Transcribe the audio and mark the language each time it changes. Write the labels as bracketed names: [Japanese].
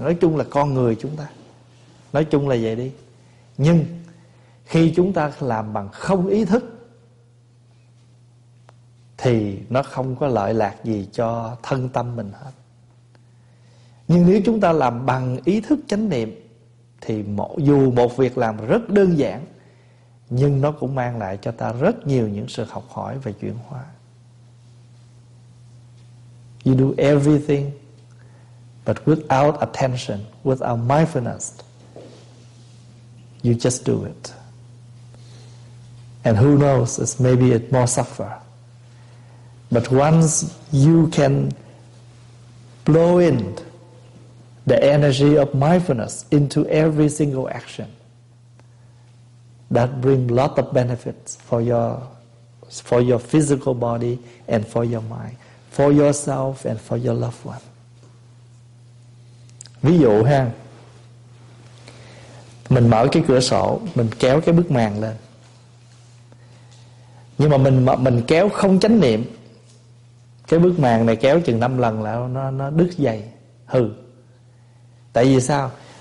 [Vietnamese] Nói chung là con người chúng ta, nói chung là vậy đi. Nhưng khi chúng ta làm bằng không ý thức thì nó không có lợi lạc gì cho thân tâm mình hết. Nhưng nếu chúng ta làm bằng ý thức chánh niệm thì dù một việc làm rất đơn giản nhưng nó cũng mang lại cho ta rất nhiều những sự học hỏi và chuyển hóa. [English] You do everything, but without attention, without mindfulness, you just do it. And who knows, it's maybe it more suffer. But once you can blow in the energy of mindfulness into every single action, that brings a lot of benefits for your physical body and for your mind. For yourself and for your loved one. [Vietnamese] Ví dụ ha, mình mở cái cửa sổ, mình kéo cái bức màn lên. Nhưng mà mình kéo không chánh niệm, cái bức màn này kéo chừng 5 lần là nó đứt dây, hư. Tại vì sao?